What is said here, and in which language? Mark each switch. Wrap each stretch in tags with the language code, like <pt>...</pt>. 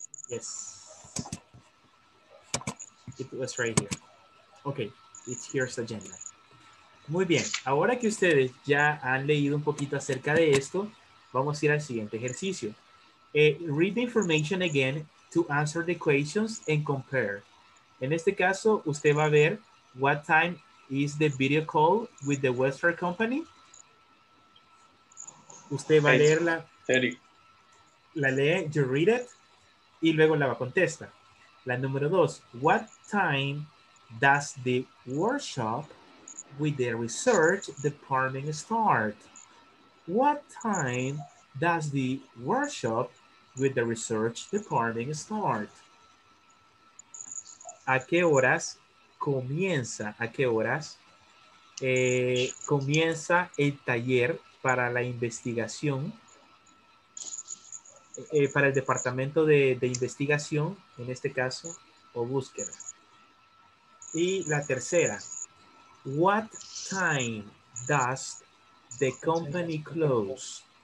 <en>Yes, it was right here. Okay, it's here's the agenda.</en> <es>Muy bien, ahora que ustedes ya han leído un poquito acerca de esto, vamos a ir al siguiente ejercicio. Read the information again to answer the questions and compare. En este caso, usted va a ver</es> <en>what time is the video call with the Western Company.</en> <es>Usted va a leerla. La lee,</es> <en>you read it.</en> <es>Y luego la va a contestar. La número dos.</es> <en>What time does the workshop with the research department start? What time does the workshop with the research department start?</en> <es>¿A qué horas comienza? ¿A qué horas comienza el taller para la investigación? Para el departamento de investigación, en este caso, o búsqueda. Y la tercera,</es> <en>what time does the company close?</en>